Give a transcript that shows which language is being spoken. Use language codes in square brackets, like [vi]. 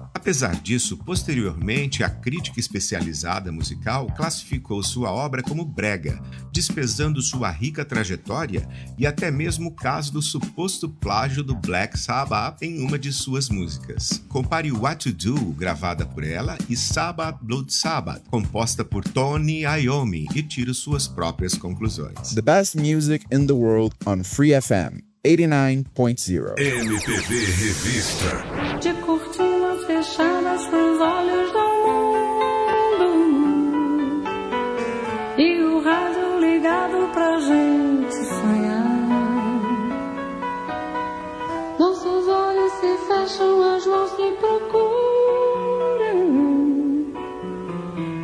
[pt] Apesar disso, posteriormente, a crítica especializada musical classificou sua obra como brega, desprezando sua rica trajetória e até mesmo o caso do suposto plágio do Black Sabbath em uma de suas músicas. Compare What To Do, gravada por ela, e Sabbath Blood Sabbath, composta por Tony Iommi, e tire suas próprias conclusões. [en] The best music in the world on Free FM 89.0. [pt] MPB Revista. De cortinas fechadas pros olhos do mundo, e o rádio ligado pra gente sonhar. Nossos olhos se fecham, as mãos me procuram.